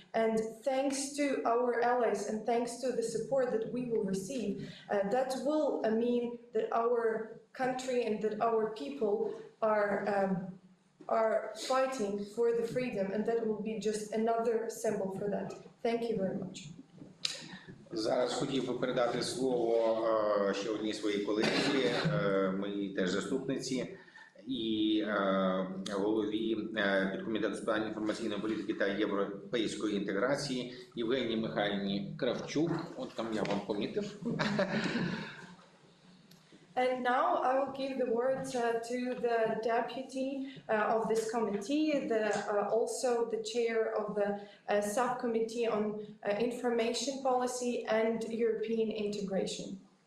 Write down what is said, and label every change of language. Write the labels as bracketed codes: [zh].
[en] And thanks to our allies and thanks to the support that we will receive, that will mean that our country and that our people are fighting for the freedom, and that will be just another symbol for that. Thank you very much. [uk] Зараз хотів би передати слово ще одній своїй колезі, моїй теж заступниці і голові підкомітету з питань інформаційної політики та європейської інтеграції Євгенії Михайлівні Кравчук. От там я вам помітив. [en] And now I will give the word to the deputy of this committee, also the chair of the subcommittee on information policy and European integration.